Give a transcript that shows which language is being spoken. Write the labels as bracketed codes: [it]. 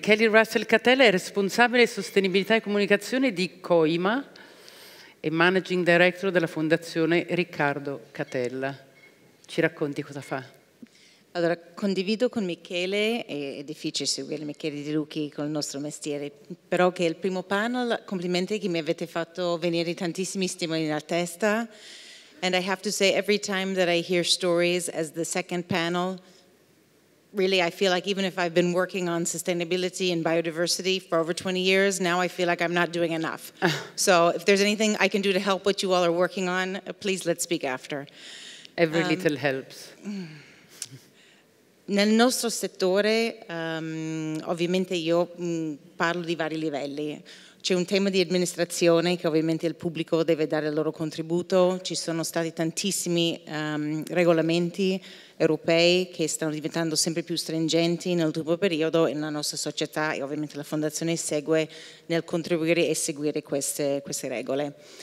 [it] Kelly Russell Catella è responsabile sostenibilità e comunicazione di COIMA e Managing Director della Fondazione Riccardo Catella. Ci racconti cosa fa? Allora, condivido con Michele, è difficile seguire Michele Di Lucchi con il nostro mestiere, però che è il primo panel, complimenti che mi avete fatto venire tantissimi stimoli nella testa. [en] And I have to say, every time that I hear stories as the second panel, really, I feel like even if I've been working on sustainability and biodiversity for over 20 years, now I feel like I'm not doing enough. So if there's anything I can do to help what you all are working on, please let's speak after. Every little helps. [it] Nel nostro settore, ovviamente io parlo di vari livelli. C'è un tema di amministrazione che ovviamente il pubblico deve dare il loro contributo. Ci sono stati tantissimi regolamenti europei che stanno diventando sempre più stringenti nell'ultimo periodo e la nostra società e ovviamente la Fondazione segue nel contribuire e seguire queste regole.